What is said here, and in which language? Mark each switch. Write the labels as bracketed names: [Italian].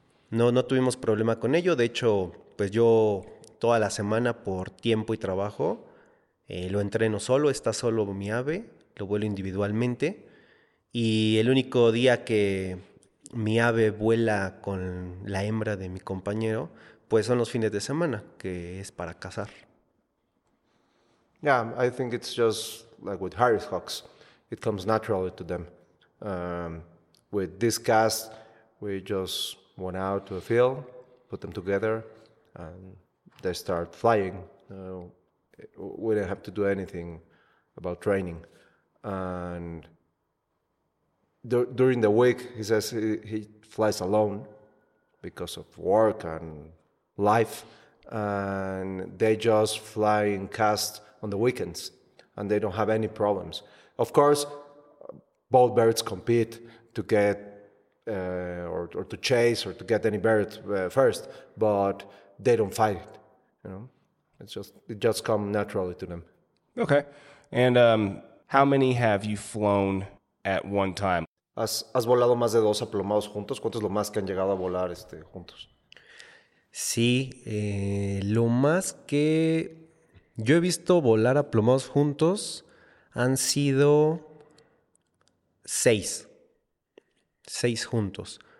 [Spanish] No tuvimos problema con ello. De hecho, pues yo toda la semana, por tiempo y trabajo, lo entreno solo, está solo mi ave, lo vuelo individualmente. Y el único día que mi ave vuela con la hembra de mi compañero, pues son los fines de semana, que es para cazar. [English] Yeah, I think it's just like with Harris Hawks. It comes naturally to them. With this cast, we just went out to a field, put them together, and they start flying. We didn't have to do anything about training. And during the week, he says he flies alone because of work and life. And they just fly in cast on the weekends, and they don't have any problems. Of course, both birds compete to get or to chase or to get any bird first, but they don't fight it, you know? It just comes naturally to them. Okay. And how many have you flown at one time? [Spanish] ¿Has volado más de dos aplomados juntos? ¿Cuánto es lo más que han llegado a volar juntos? Sí, lo más que yo he visto volar aplomados juntos han sido 6 juntos.